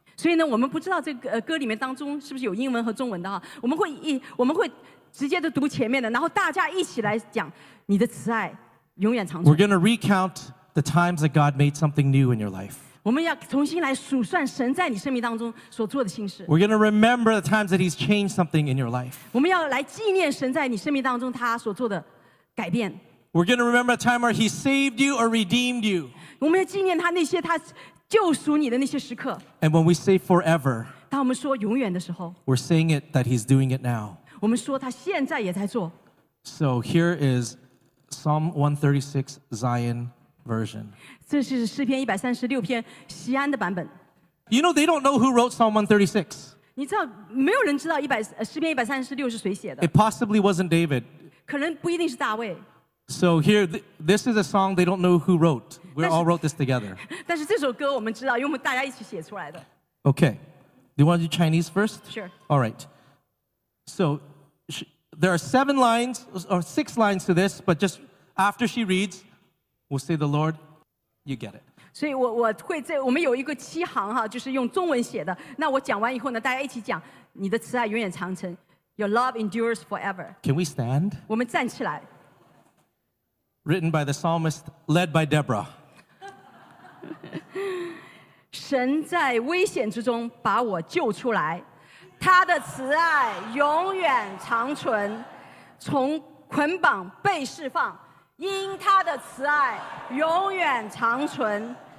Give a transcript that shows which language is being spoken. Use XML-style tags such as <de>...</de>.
<zh>所以呢，我们不知道这个歌里面当中是不是有英文和中文的哈。我们会直接的读前面的，然后大家一起来讲你的慈爱。</zh> <en>We're going to recount the times that God made something new in your life.</en> <zh>我们要重新来数算神在你生命当中所做的新事。</zh> <en>We're going to remember the times that He's changed something in your life.</en> <zh>我们要来纪念神在你生命当中他所做的改变。</zh> <en>We're going to remember a time where He saved you or redeemed you.</en> <zh>我们要纪念他那些他救赎你的那些时刻。</zh> <en>And when we say forever,</en> <zh>当我们说永远的时候</zh> <en>we're saying it that He's doing it now.</en> <zh>我们说他现在也在做。</zh> <en>So here is. Psalm 136 Zion version.</en> <zh>这是诗篇一百三十六篇锡安的版本。</zh> <en>You know they don't know who wrote Psalm 136.</en> <zh>你知道没有人知道诗篇一百三十六是谁写的。</zh> <en>It possibly wasn't David.</en> <zh>可能不一定是大卫。</zh> <en>So here, this is a song they don't know who wrote. We all wrote this together.</en> <zh>但是这首歌我们知道，因为我们大家一起写出来的。</zh> <en>Okay, do you want to do Chinese first? Sure. All right. So. There are seven lines or six lines to this, but just after she reads, we'll say the Lord, you get it.</en> <zh>所以我会在我们有一个七行哈，就是用中文写的。那我讲完以后呢，大家一起讲，你的慈爱永远长存 ，</zh> <en>Your love endures forever. Can we stand?</en> <zh>我们站起来。</zh> <en>Written by the psalmist, led by Deborah.</en> <zh>神在危险之中把我救出来，他的慈爱永远长存，从捆绑被释放，因他的慈爱永远长存。</zh>